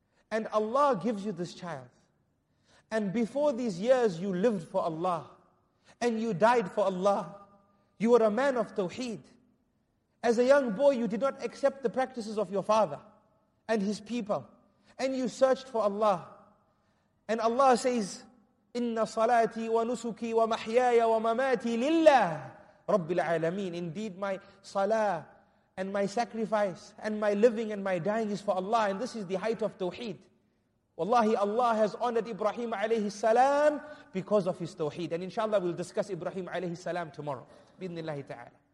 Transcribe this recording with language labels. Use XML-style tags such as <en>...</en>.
<en>And Allah gives you this child. And before these years you lived for Allah. And you died for Allah. You were a man of tawheed. As a young boy you did not accept the practices of your father and his people. And you searched for Allah. And Allah says,</en> <ar>إِنَّ صَلَاتِي وَنُسُكِي وَمَحْيَايَ وَمَمَاتِي لِلَّهِ رَبِّ الْعَالَمِينَ.</ar> <en>Indeed, my salah and my sacrifice and my living and my dying is for Allah. And this is the height of tawheed. Wallahi, Allah has honored Ibrahim alayhi salam because of his tawheed. And inshallah, we'll discuss Ibrahim alayhi salam tomorrow. Bidnillahi ta'ala.</en>